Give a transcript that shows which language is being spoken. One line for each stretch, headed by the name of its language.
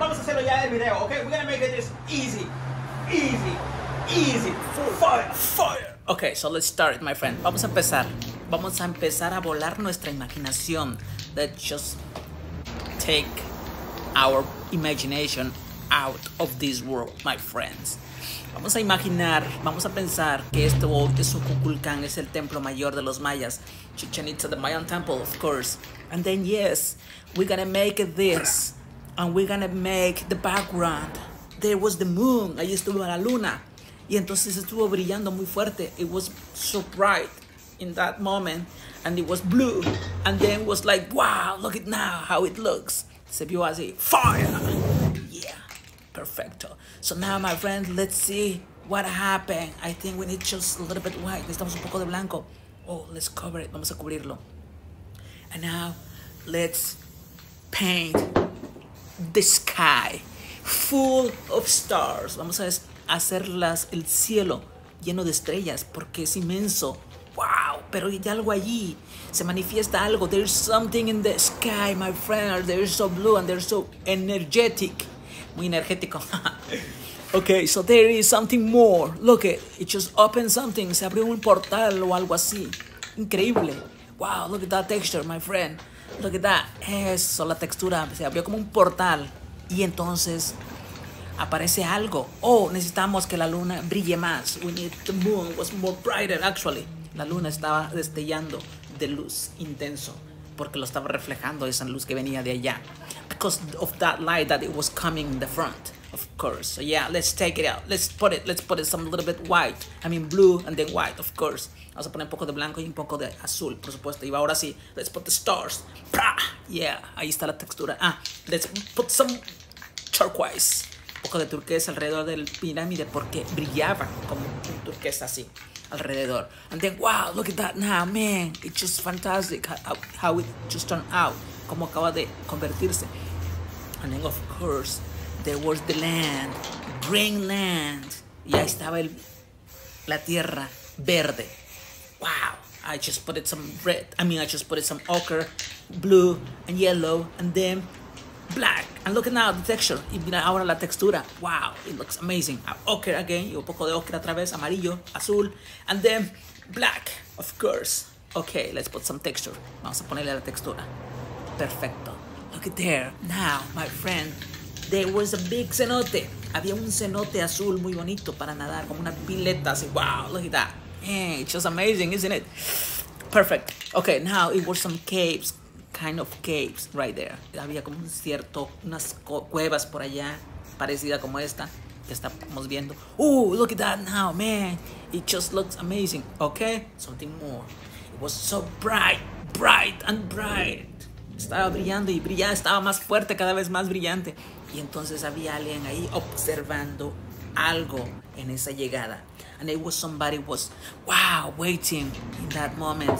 Spanish: Vamos a hacerlo ya el video,
English: okay? We're gonna make it this easy. Easy. Easy. Fire. Fire. Okay, so let's start it, my friend.
Spanish: Vamos a empezar. Vamos a empezar a volar nuestra imaginación.
English: Let's just take our imagination out of this world, my friends.
Spanish: Vamos a imaginar, vamos a pensar que este hoy es un Kukulkan, es el templo mayor de los mayas.
English: Chichen Itza, the Mayan temple, of course. And then, yes, we're gonna make this. And we're gonna make the background. There was the moon.
Spanish: Ahí estuvo la luna. Y entonces estuvo brillando muy fuerte.
English: It was so bright in that moment. And it was blue. And then it was like, wow, look at now how it looks.
Spanish: Se vio así,
English: fire. Yeah, perfecto. So now, my friend, let's see what happened. I think we need just a little bit white.
Spanish: Necesitamos un poco de blanco.
English: Oh, let's cover it.
Spanish: Vamos a cubrirlo.
English: And now, let's paint the sky full of stars.
Spanish: Vamos a hacerlas el cielo lleno de estrellas porque es inmenso. Wow, pero hay algo allí, se manifiesta algo.
English: There's something in the sky, my friend. They're so blue and they're so energetic.
Spanish: Muy energético.
English: Okay, so there is something more. Look at it. It just opened something.
Spanish: Se abrió un portal o algo así. Increíble.
English: Wow, look at that texture, my friend. Look at that.
Spanish: Eso, la textura. Se abrió como un portal y entonces aparece algo. Oh, necesitamos que la luna brille más.
English: We need the moon was more brighter, actually.
Spanish: La luna estaba destellando de luz intenso porque lo estaba reflejando esa luz que venía de allá.
English: Because of that light that it was coming in the front, of course. So yeah, let's take it out. Let's put it some little bit white. I mean blue and then white, of course.
Spanish: Vamos a poner un poco de blanco y un poco de azul, por supuesto. Y ahora sí,
English: let's put the stars.
Spanish: ¡Prah! Yeah, ahí está la textura.
English: Ah, let's put some turquoise.
Spanish: Un poco de turquesa alrededor del pirámide porque brillaba como un turquesa así alrededor.
English: And then, wow, look at that now, man. It's just fantastic how it just turned out.
Spanish: Como acaba de convertirse.
English: And then, of course, there was the land, green land.
Spanish: Y ahí estaba la tierra verde.
English: Wow, I just put it some red. I mean, I just put it some ochre, blue, and yellow, and then black. And look at now the texture.
Spanish: Y mira ahora la textura.
English: Wow, it looks amazing. Ochre again.
Spanish: Y un poco de ochre otra vez. Amarillo, azul.
English: And then black, of course. Okay, let's put some texture.
Spanish: Vamos a ponerle la textura.
English: Perfecto. Look at there. Now, my friend, there was a big cenote.
Spanish: Había un cenote azul muy bonito para nadar. Como una pileta así.
English: Wow, look at that. Man, it's just amazing, isn't it? Perfect. Okay, now it was some caves. Kind of caves right there.
Spanish: Había como unas cuevas por allá, parecida como esta que estamos viendo.
English: Oh, look at that now, man. It just looks amazing. Okay, something more. It was so bright, bright and bright.
Spanish: Estaba brillando y brillaba, estaba más fuerte, cada vez más brillante. Y entonces había alguien ahí observando algo en esa llegada.
English: And it was somebody was, wow, waiting in that moment.